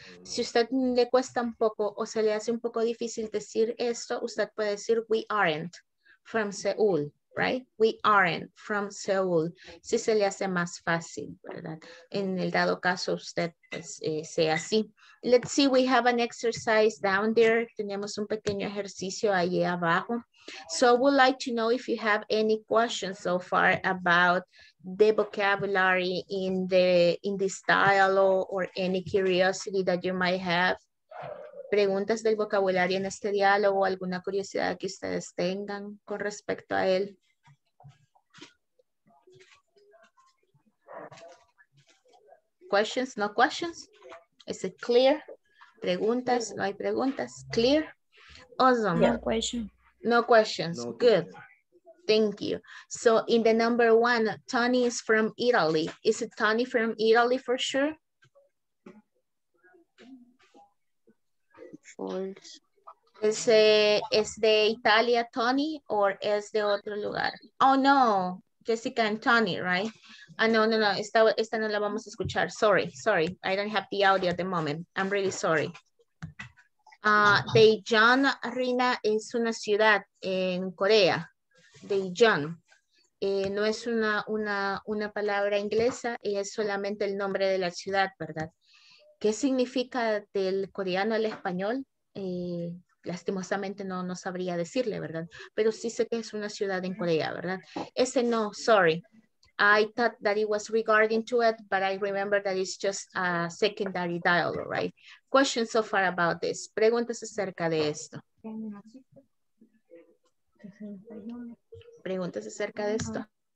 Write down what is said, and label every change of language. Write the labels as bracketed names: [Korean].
[Spanish] Si usted le cuesta un poco o se le hace un poco difícil decir esto, usted puede decir [English] we aren't from Seoul, right? We aren't from Seoul. [Spanish] Si se le hace más fácil, ¿verdad? En el dado caso usted pues, sea así. [English] Let's see, we have an exercise down there. [Spanish] Tenemos un pequeño ejercicio allí abajo. [English] So I would like to know if you have any questions so far about the vocabulary in the in this dialogue or any curiosity that you might have. [Spanish] Preguntas del vocabulario en este diálogo, alguna curiosidad que ustedes tengan con respecto a él. [English] Questions, no questions. Is it clear? [Spanish] Preguntas, no hay preguntas. [English] Clear? Awesome. No question. No questions. No. Good. Thank you. So in the number one, Tony is from Italy. Is it Tony from Italy for sure? False. [Spanish] Is de Italia, Tony, or is de otro lugar? [English] Oh, no, Jessica and Tony, right? [Spanish] Ah, no, no, no, esta no la vamos a escuchar. [English] Sorry, sorry, I don't have the audio at the moment. I'm really sorry. [Spanish] Daejeon, Rina, es una ciudad en Corea. Daejeon. No es una palabra inglesa, es solamente el nombre de la ciudad, ¿verdad? ¿Qué significa del coreano al español? Lastimosamente no sabría decirle, ¿verdad? Pero sí sé que es una ciudad en Corea, ¿verdad? Ese no, sorry. [English] I thought that it was regarding to it, but I remember that it's just a secondary dialogue, right? Questions so far about this. [Spanish] Preguntas acerca de esto. Preguntas acerca de esto.